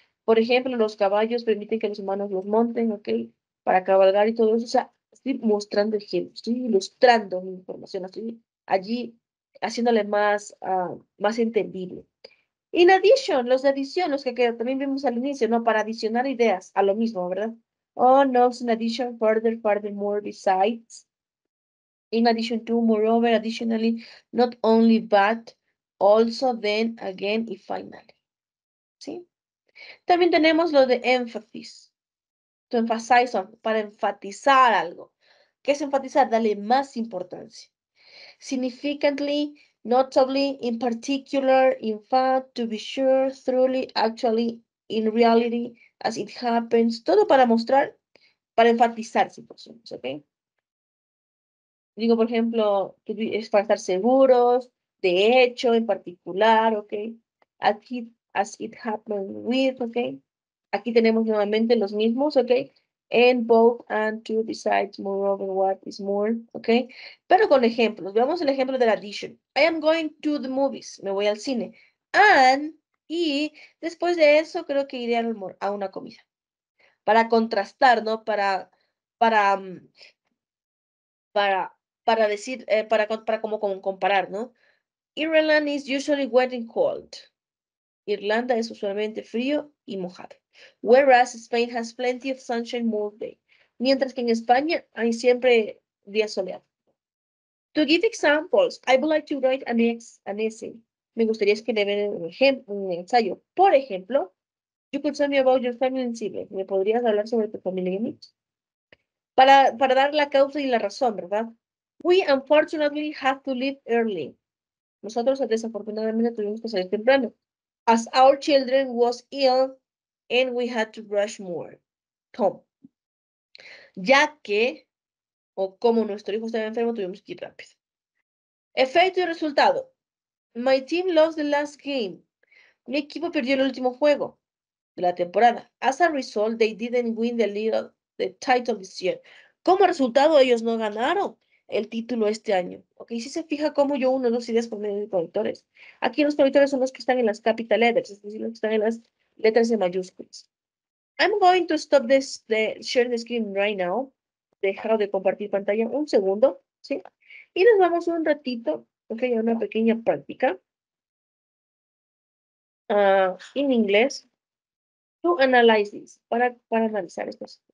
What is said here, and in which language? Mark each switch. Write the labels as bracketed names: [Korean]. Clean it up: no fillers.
[Spanish] Por ejemplo, los caballos permiten que los humanos los monten, ¿ok? Para cabalgar y todo eso. O sea, estoy mostrando ejemplos, estoy ilustrando mi información, estoy allí haciéndole más, más entendible. In addition, los de adición, los que también vimos al inicio, ¿no? Para adicionar ideas a lo mismo, ¿verdad? [English] Oh, no, it's in addition, further, further, more, besides. In addition to, moreover, additionally, not only, but also, then, again, y finally. [Spanish] ¿Sí? También tenemos lo de énfasis. [English] To emphasize on, [Spanish] para enfatizar algo. ¿Qué es enfatizar? Darle más importancia. [English] Significantly, notably, in particular, in fact, to be sure, truly, actually, in reality, as it happens. [Spanish] Todo para mostrar, para enfatizar, si posible, ¿ok? Digo, por ejemplo, es para estar seguros, de hecho, en particular, ¿ok? Aquí, [English] as it happened with, [Spanish] ¿ok? Aquí tenemos nuevamente los mismos, ¿ok? [English] And both and to besides, moreover, what is more, ¿ok? [Spanish] Pero con ejemplos, veamos el ejemplo del addition. [English] I am going to the movies, [Spanish] me voy al cine. And, y después de eso, creo que iré a una comida. Para contrastar, ¿no? Para decir, para como comparar, ¿no? [English] Ireland is usually wet and cold. [Spanish] Irlanda es usualmente frío y mojado. [English] Whereas Spain has plenty of sunshine all day. [Spanish] Mientras que en España hay siempre día soleado. [English] To give examples, I would like to write an essay. [Spanish] Me gustaría escribir un ensayo. Por ejemplo, [English] you could tell me about your family in Chile. [Spanish] ¿Me podrías hablar sobre tu familia en Chile? Para dar la causa y la razón, ¿verdad? [English] We unfortunately have to leave early. [Spanish] Nosotros desafortunadamente tuvimos que salir temprano. [English] As our children was ill and we had to rush more. Tom. [Spanish] Ya que, o como nuestro hijo estaba enfermo, tuvimos que ir rápido. Efecto y resultado. [English] My team lost the last game. [Spanish] Mi equipo perdió el último juego de la temporada. [English] As a result, they didn't win the title this year. [Spanish] Como resultado, ellos no ganaron el título este año. Ok, si se fija cómo yo uno, dos ideas por medio de conectores. Aquí los conectores son los que están en las capital letters, es decir, los que están en las letras de mayúsculas. [English] I'm going to stop this, the share the screen right now. [Spanish] Dejar de compartir pantalla un segundo, ¿sí? Y nos vamos un ratito, ok, a una pequeña práctica. En in inglés. [English] To analyze this, [Spanish] para analizar esto.